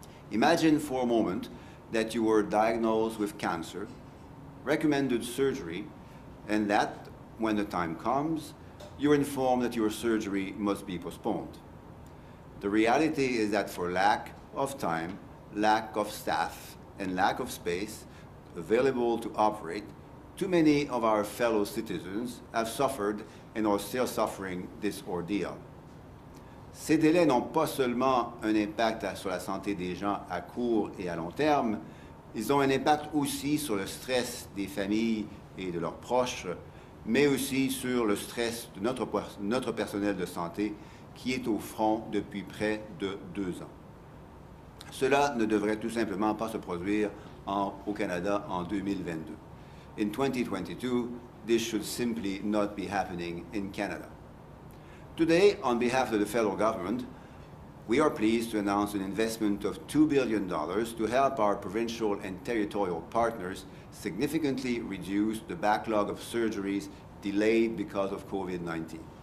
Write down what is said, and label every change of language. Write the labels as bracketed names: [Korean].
[English] Imagine for a moment that you were diagnosed with cancer, recommended surgery, and that, when the time comes, you're informed that your surgery must be postponed. The reality is that for lack of time, lack of staff, and lack of space available to operate, too many of our fellow citizens have suffered and are still suffering this ordeal. [French] Ces délais n'ont pas seulement un impact sur la santé des gens à court et à long terme, ils ont un impact aussi sur le stress des familles et de leurs proches, mais aussi sur le stress de notre personnel de santé qui est au front depuis près de 2 ans. Cela ne devrait tout simplement pas se produire au Canada en 2022. [English] In 2022, this should simply not be happening in Canada. Today, on behalf of the federal government, we are pleased to announce an investment of $2 billion to help our provincial and territorial partners significantly reduce the backlog of surgeries delayed because of COVID-19.